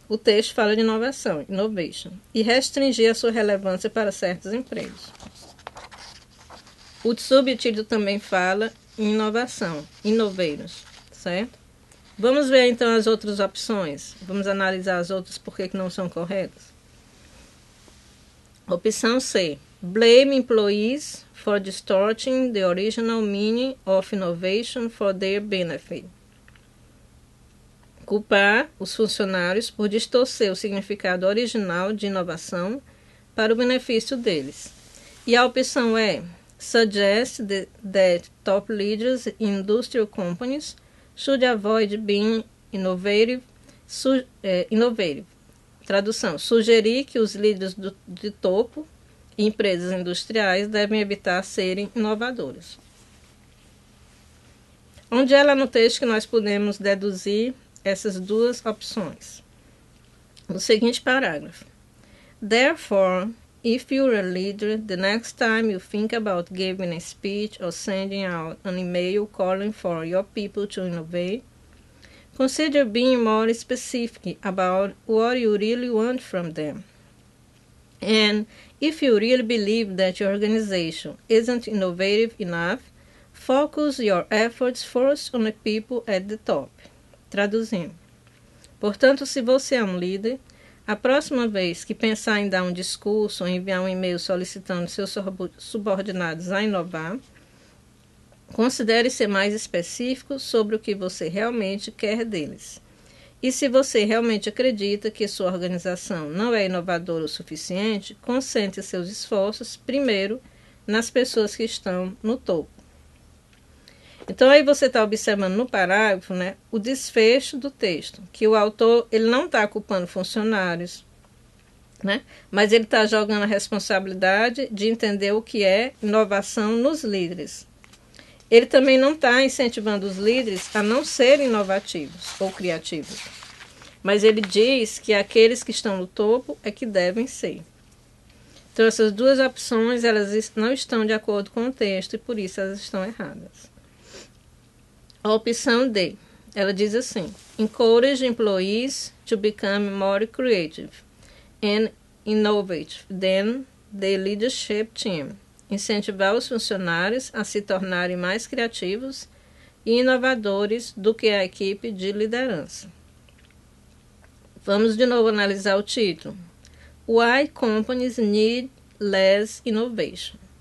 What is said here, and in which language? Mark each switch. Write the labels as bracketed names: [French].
[Portuguese] O texto fala de inovação, innovation, e restringir a sua relevância para certos empregos. O subtítulo também fala em inovação, innovators, certo? Vamos ver então as outras opções. Vamos analisar as outras porque que não são corretas. Opção C: [English] Blame employees for distorting the original meaning of innovation for their benefit. [Portuguese] Culpar os funcionários por distorcer o significado original de inovação para o benefício deles. E a opção E: [English] Suggest that top leaders in industrial companies should avoid being innovative. Innovative. [Portuguese] Tradução: sugerir que os líderes de topo em empresas industriais devem evitar serem inovadores. Onde é lá no texto que nós podemos deduzir essas duas opções? No seguinte parágrafo: [English] Therefore, if you're a leader, the next time you think about giving a speech or sending out an email calling for your people to innovate, consider being more specific about what you really want from them. And if you really believe that your organization isn't innovative enough, focus your efforts first on the people at the top. [Portuguese] Traduzindo: portanto, se você é um líder, a próxima vez que pensar em dar um discurso ou enviar um e-mail solicitando seus subordinados a inovar, considere ser mais específico sobre o que você realmente quer deles. E se você realmente acredita que sua organização não é inovadora o suficiente, concentre seus esforços primeiro nas pessoas que estão no topo. Então, aí você está observando no parágrafo, né, o desfecho do texto, que o autor ele não está culpando funcionários, né, mas ele está jogando a responsabilidade de entender o que é inovação nos líderes. Ele também não está incentivando os líderes a não serem inovativos ou criativos, mas ele diz que aqueles que estão no topo é que devem ser. Então, essas duas opções elas não estão de acordo com o texto e por isso elas estão erradas. A opção D, ela diz assim: [English] Encourage employees to become more creative and innovative than the leadership team. [Portuguese] Incentivar os funcionários a se tornarem mais criativos e inovadores do que a equipe de liderança. Vamos de novo analisar o título. [English] Why companies need less innovation?